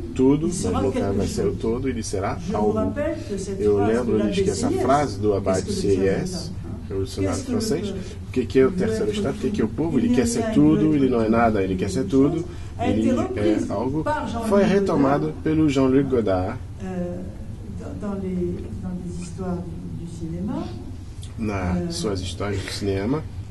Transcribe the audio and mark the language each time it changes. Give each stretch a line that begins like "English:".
Portuguese: Tudo, mas nunca vai ser o todo, ele será algo. Eu lembro-lhes que essa frase do Abade Sieyès, revolucionário francês, o que é o terceiro Estado, o que é o povo? Ele quer ser tudo, ele não é nada, ele quer ser tudo. Ele é algo foi retomado Godard, pelo Jean-Luc Godard
French: dans les histoires du cinéma,
Portuguese: nas suas histórias do cinema.